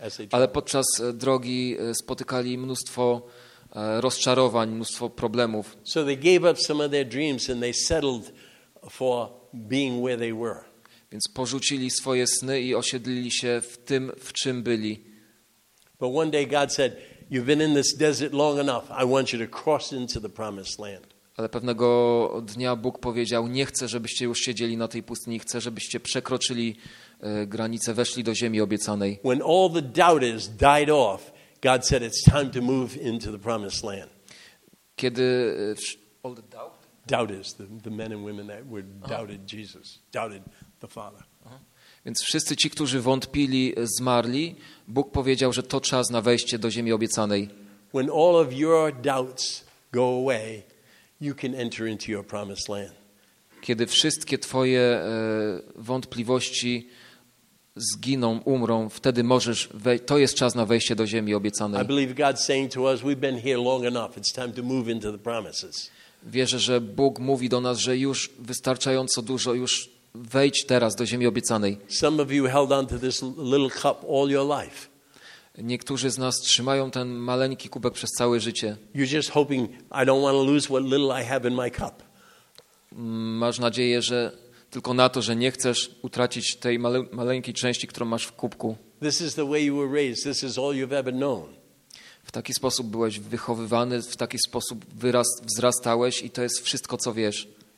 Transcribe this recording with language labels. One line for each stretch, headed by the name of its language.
Polish: Ale podczas drogi spotykali mnóstwo rozczarowań, mnóstwo problemów.
English: So they gave up some of their dreams and they settled for being where they were.
Polish: Więc porzucili swoje sny i osiedlili się w tym, w czym byli.
English: But one day God said, "You've been in this desert long enough. I want you to cross into the promised land."
Polish: Ale pewnego dnia Bóg powiedział: "Nie chcę, żebyście już siedzieli na tej pustyni, chcę, żebyście przekroczyli granice, weszli do ziemi obiecanej."
English: When all the doubters died off, God said it's time to move into the promised land.
Polish: Kiedy
English: all the doubters, the men and women that were doubted Jesus, doubted the Father.
Polish: Więc wszyscy ci, którzy wątpili, zmarli. Bóg powiedział, że to czas na wejście do ziemi obiecanej.
English: When all of your doubts go away, you can enter into your promised land.
Polish: Kiedy wszystkie twoje wątpliwości zginą, umrą, wtedy możesz to jest czas na wejście do ziemi obiecanej.
English: I believe God's saying to us, we've been here long enough. It's time to move into the promises.
Polish: Wierzę, że Bóg mówi do nas, że już wystarczająco dużo, już wejdź teraz do ziemi obiecanej.
English: Some of you held on to this little cup all your life.
Polish: Niektórzy z nas trzymają ten maleńki kubek przez całe życie.
English: You're just hoping I don't want to lose what little I have in my cup.
Polish: Masz nadzieję, że tylko na to, że nie chcesz utracić tej maleńkiej części, którą masz w kubku.
English: This is the way you were raised. This is all you've ever known.
Polish: W taki sposób byłeś wychowywany, w taki sposób wzrastałeś i to jest wszystko, co wiesz.